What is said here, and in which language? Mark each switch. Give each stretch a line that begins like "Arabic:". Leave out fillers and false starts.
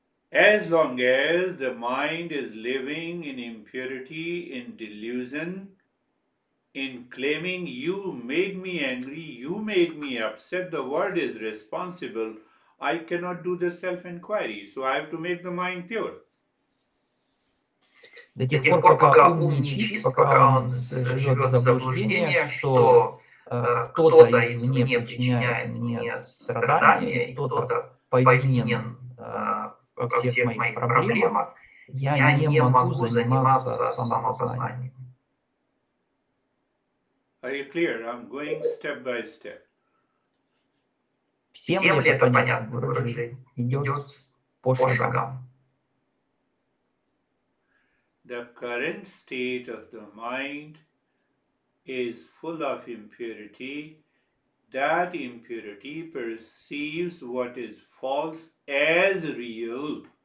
English: As long as the mind is living in impurity, in delusion, in claiming you made me angry, you made me upset, the world is responsible, I cannot do the self-inquiry, so I have to make the mind pure.
Russian: до тех пор, пока ум не чист, пока он живет в заблуждении, что кто-то извне причиняет мне страдания, и кто-то повинен во всех моих проблемах, я не могу заниматься самопознанием.
English: Are you clear? I'm going step by step.
Russian: Всем ли это понятно, Гуруджи? Идет по шагам.
English: The current state of the mind is full of impurity. That impurity perceives what is false as real.